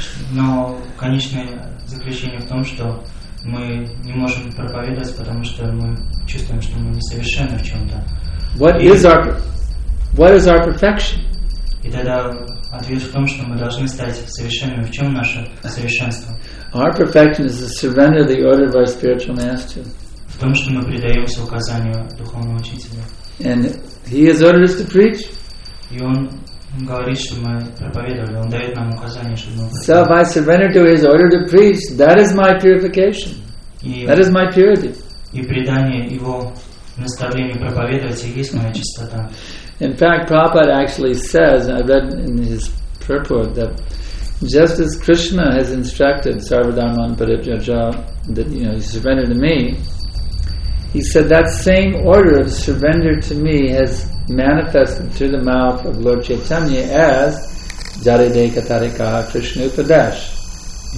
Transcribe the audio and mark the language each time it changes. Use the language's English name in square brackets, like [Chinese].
[Russian] Но конечное заключение в том, что мы не можем проповедовать, потому что мы чувствуем, что мы несовершенны в чем-то. [English] What is our perfection? [Russian] И тогда ответ в том, что мы должны стать совершенными. В чем наше совершенство? [English] Our perfection is to surrender the order of our spiritual master. [Russian] В том, что мы предаемся указанию духовного учителя. [English] And he has ordered us to preach. [Russian] И он говорит, что мы проповедовали. Он дает нам указание, чтобы мы [English] So if I surrender to his order to preach, that is my purification. That is my purity. [Russian] И предание его наставлению проповедовать и есть моя чистота. [English] In fact, Prabhupada actually says, I read in his purport, that just as Krishna has instructed [Sanskrit] Sarvadharman Parityaja [English] that, you know, surrender to me, he said that same order of surrender to me has manifested through the mouth of Lord Chaitanya as [Sanskrit] Jaride Katarika Krishna Upadesh.